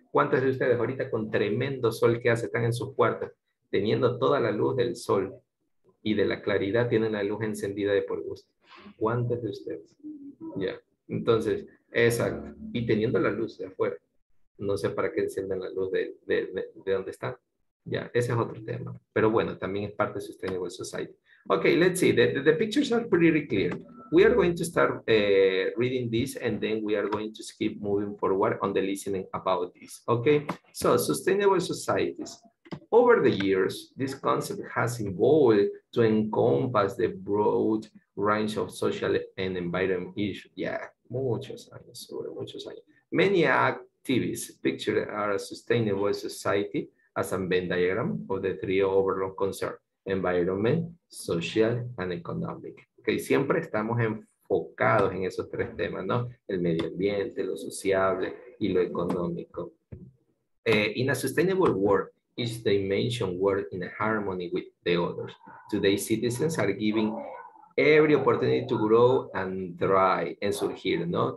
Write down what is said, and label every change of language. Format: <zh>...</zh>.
<es>¿Cuántos de ustedes ahorita con tremendo sol que hace, están en sus cuartos, teniendo toda la luz del sol y de la claridad, tienen la luz encendida de por gusto? ¿Cuántos de ustedes? Ya, entonces, exacto. Y teniendo la luz de afuera, no sé para qué encienden la luz de donde están. Ya, ese es otro tema. Pero bueno, también es parte de Sustainable Society.</es> <en>Okay, let's see. The pictures are pretty clear. We are going to start reading this, and then we are going to keep moving forward on the listening about this. Okay, so sustainable societies. Over the years, this concept has evolved to encompass the broad range of social and environmental issues. Yeah,</en> <es>muchos años.</es> <en>Many activists picture our sustainable society as a Venn diagram of the three overall concerns. Environment, social and economic.</en> <es>Okay, siempre estamos enfocados en esos tres temas, ¿no? El medio ambiente, lo sociable y lo económico.</es> <en>In a sustainable world, each dimension works in harmony with the others. Today, citizens are given every opportunity to grow and thrive and surgir, ¿no?</en>